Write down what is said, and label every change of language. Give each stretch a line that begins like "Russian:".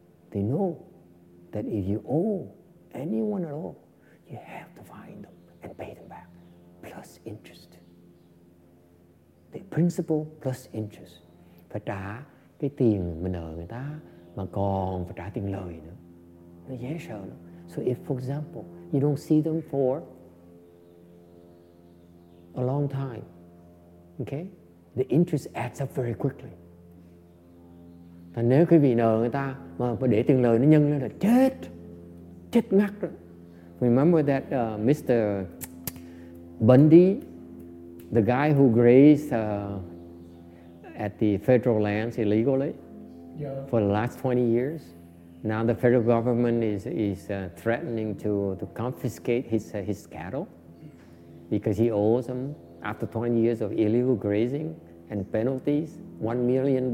English: They know that if you owe anyone at all, you have to find them and pay them back plus interest. They principal plus interest.
Vietnamese: Phải trả cái tiền mình nợ người ta mà còn phải trả tiền lời nữa. Nó dễ sợ lắm.
English: So if, for example, you don't see them for a long time, okay? The interest adds up very quickly.
Vietnamese: Và nếu quý vị nợ người ta mà để tiền lời nó nhân lên là chết, chết ngắt rồi.
English: Remember that Mr. Bundy, the guy who grazed at the federal lands illegally for the last 20 years? Now the federal government is threatening to confiscate his cattle because he owes them, after 20 years of illegal grazing and penalties, $1 million.